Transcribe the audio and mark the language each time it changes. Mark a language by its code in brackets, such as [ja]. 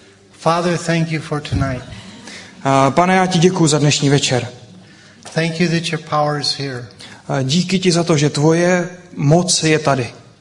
[en] Father, thank you for tonight. [cs] Pane, já ti děkuju za dnešní večer. [en] Thank you that your power is here. [cs] Díky ti za to, že tvoje moc je tady.